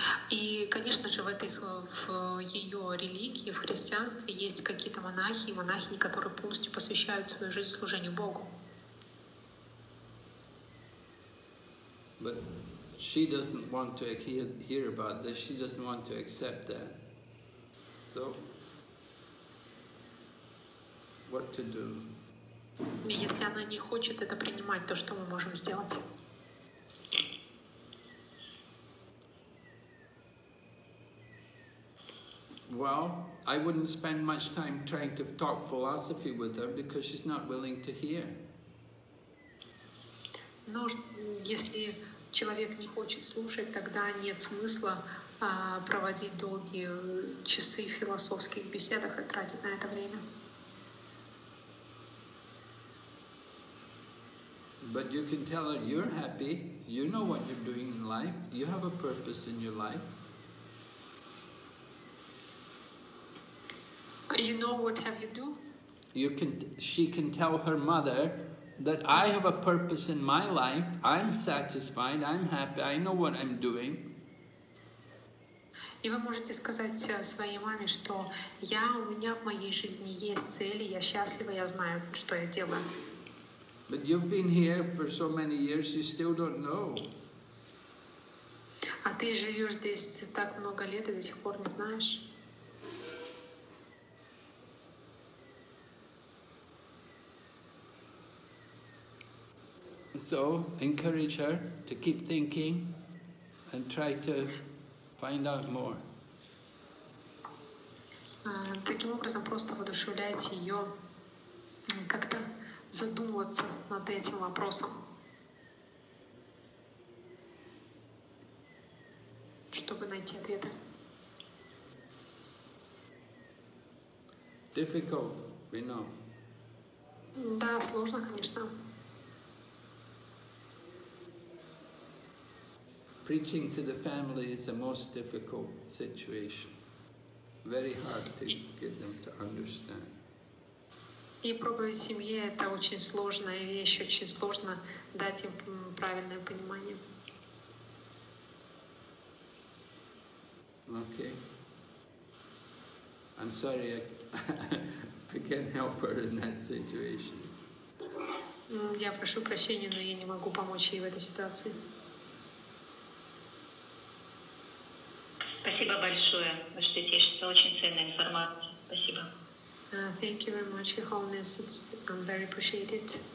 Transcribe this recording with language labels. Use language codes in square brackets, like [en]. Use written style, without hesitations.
[ru] И, конечно же, в ее религии, в христианстве, есть какие-то монахи и монахини, которые полностью посвящают свою жизнь служению Богу. [en] But she doesn't want to hear about this. She doesn't want to accept that. So, what to do? [ru] Если она не хочет это принимать, то что мы можем сделать? [en] Well, I wouldn't spend much time trying to talk philosophy with her because she's not willing to hear. [ru] Но если человек не хочет слушать, тогда нет смысла проводить долгие часы в философских беседах и тратить на это время. [en] But you can tell her you're happy. You know what you're doing in life. You have a purpose in your life. You know what have you do? She can tell her mother that I have a purpose in my life. I'm satisfied. I'm happy. I know what I'm doing. [ru] И вы можете сказать своей маме, что у меня в моей жизни есть цели. Я счастлива. Я знаю, что я делаю. [en] But you've been here for so many years, you still don't know. [ru] А ты живешь здесь так много лет и до сих пор не знаешь? [en] So encourage her to keep thinking and try to find out more. [ru] Таким образом просто воодушевляйте ее как-то задумываться над этим вопросом, чтобы найти ответы. [en] Difficult, we know. [ru] Да, сложно, конечно. [en] Preaching to the family is the most difficult situation. Very hard to get them to understand. [ru] И проповедь семье – это очень сложная вещь, очень сложно дать им правильное понимание. [en] Okay. I'm sorry, I can't help her in that situation. [ru] Я прошу прощения, но я не могу помочь ей в этой ситуации. Спасибо большое, Ваше Святейшество, очень ценная информация. Спасибо. [en] Thank you very much, Your Holiness. It's very appreciated.